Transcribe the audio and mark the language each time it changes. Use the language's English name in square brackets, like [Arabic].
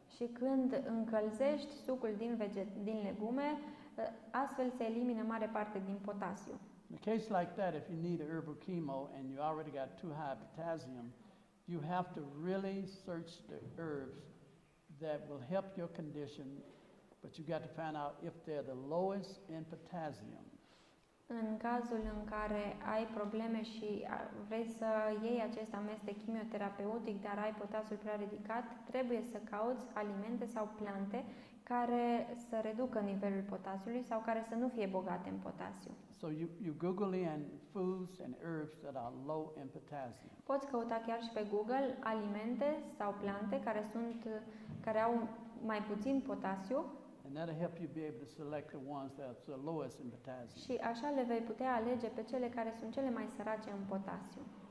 [Romanian] Și când încălzești sucul din din legume, astfel se elimină mare parte din potasiu. [English] In a case like that, if you need a herbal chemo and you already got too high potassium, you have to really search the herbs that will help your condition, but you got to find out if they're the lowest in potassium. [Romanian] În cazul în care ai probleme și vrei să iei acest amestec chimioterapeutic, dar ai potasiul prea ridicat, trebuie să cauți alimente sau plante care să reducă nivelul potasiului sau care să nu fie bogate în potasiu. [English] So you Google in foods and herbs that are low in potassium. [Romanian] Poți căuta chiar și pe Google alimente sau plante care sunt care au mai puțin potasiu. [English] And that'll help you be able to select the ones that are the lowest in potassium. [Romanian] Și așa le vei putea alege pe cele care sunt cele mai sărace în potasiu.